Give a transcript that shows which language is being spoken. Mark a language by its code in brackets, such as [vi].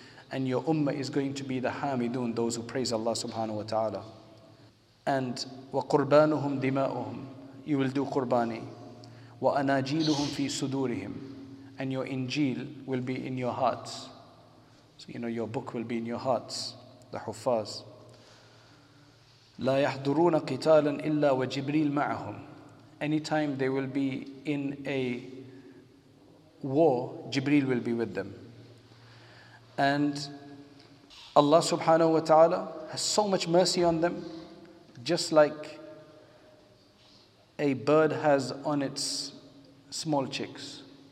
[en] And your ummah is going to be the hamidun, those who praise Allah subhanahu wa ta'ala. And [ar] wa qurbanuhum dima'uhum, [en] you will do qurbani. [ar] Wa anajiluhum fi sudurihim, [en] and your injil will be in your hearts. So you know your book will be in your hearts, the huffaz. [ar] لا يحضرون قتالا إلا وجبريل معهم. [en] Anytime they will be in a war, Jibreel will be with them. And Allah subhanahu wa ta'ala has so much mercy on them, just like a bird has on its small chicks.